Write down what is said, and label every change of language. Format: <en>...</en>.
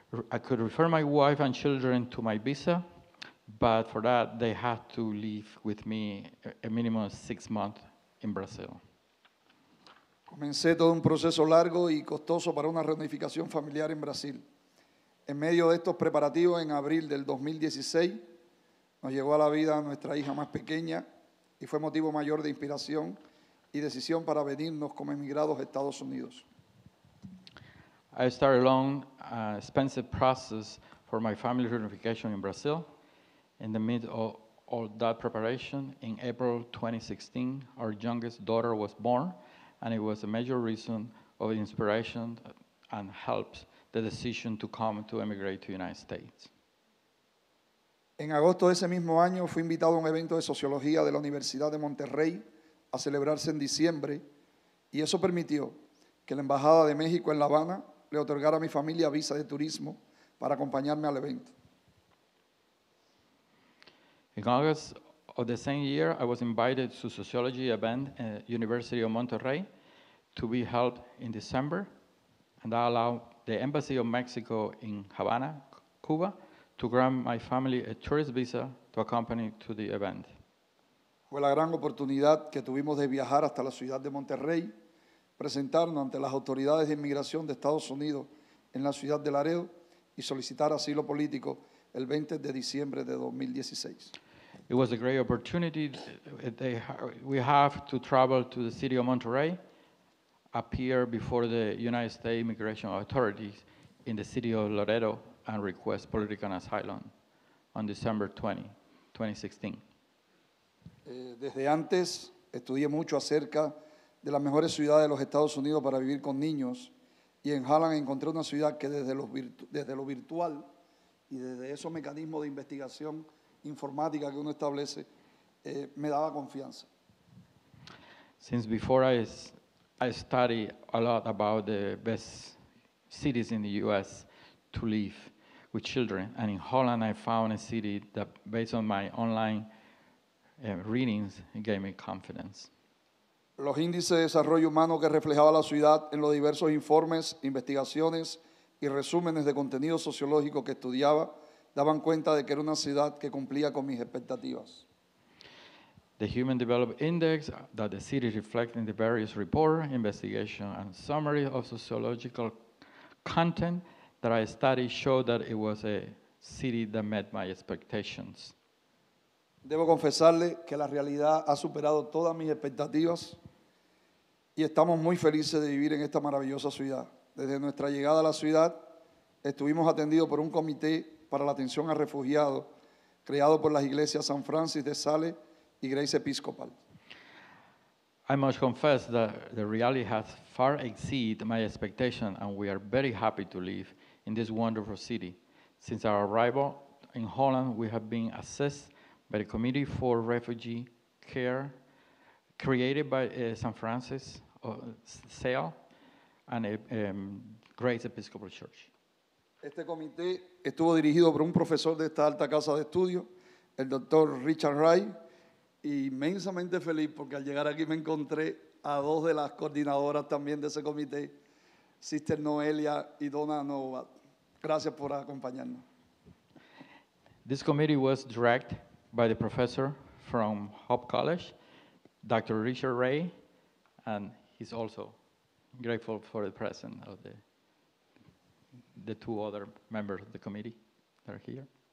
<en>I could refer my wife and children to my visa, but for that, they had to live with me a minimum of 6 months in Brazil.</en> <es>Comencé todo un proceso largo y costoso para una reunificación familiar en Brasil. En medio de estos preparativos, en abril del 2016, nos llegó a la vida nuestra hija más pequeña y fue motivo mayor de inspiración y decisión para venirnos como emigrados a Estados Unidos.</es> <en>I started a long, expensive process for my family reunification in Brazil. In the midst of all that preparation, in April 2016, our youngest daughter was born, and it was a major reason of inspiration and helped the decision to come to emigrate to the United States.</en> <es>En agosto de ese mismo año, fui invitado a un evento de sociología de la Universidad de Monterrey a celebrarse en diciembre, y eso permitió que la Embajada de México en La Habana le otorgara a mi familia visa de turismo para acompañarme al evento.</es> <en>In August of the same year, I was invited to a sociology event at University of Monterrey to be held in December, and that allowed the Embassy of Mexico in Havana, Cuba, to grant my family a tourist visa to accompany to the event.</en> <es>Fue la gran oportunidad que tuvimos de viajar hasta la ciudad de Monterrey, presentarnos ante las autoridades de inmigración de Estados Unidos en la ciudad de Laredo y solicitar asilo político el 20 de diciembre de 2016.</es> <en>It was a great opportunity we have to travel to the city of Monterrey, appear before the United States Immigration Authorities in the city of Laredo and request political asylum on December 20, 2016.</en> <es>Desde antes, estudié mucho acerca de las mejores ciudades de los Estados Unidos para vivir con niños, y en Holland encontré una ciudad que desde lo virtual y desde esos mecanismos de investigación informática que uno establece me daba confianza.</es> <en>Since before I study a lot about the best cities in the US to live with children, and in Holland I found a city that based on my online readings it gave me confidence.</en> <es>Los índices de desarrollo humano que reflejaba la ciudad en los diversos informes, investigaciones y resúmenes de contenido sociológico que estudiaba daban cuenta de que era una ciudad que cumplía con mis expectativas.</es> <en>The Human Development Index that the city reflected in the various reports, investigations and summary of sociological content that I studied showed that it was a city that met my expectations.</en> <es>Debo confesarle que la realidad ha superado todas mis expectativas y estamos muy felices de vivir en esta maravillosa ciudad. Desde nuestra llegada a la ciudad, estuvimos atendidos por un comité para la atención a refugiados creado por las iglesias San Francis de Sales y Grace Episcopal.</es> <en>I must confess that the reality has far exceeded my expectation, and we are very happy to live in this wonderful city. Since our arrival in Holland, we have been assessed by the Committee for Refugee Care, created by San Francis of Sales and Grace Episcopal Church.</en> <es>Este comité estuvo dirigido por un profesor de esta alta casa de estudio, el Dr. Richard Wright, y inmensamente feliz porque al llegar aquí me encontré a dos de las coordinadoras también de ese comité, Sister Noelia y Donna Nova. Gracias por acompañarnos.</es> <en>This committee was directed by the professor from Hope College, Dr. Richard Ray, and he's also grateful for the presence of the two other members of the committee that are here.</en>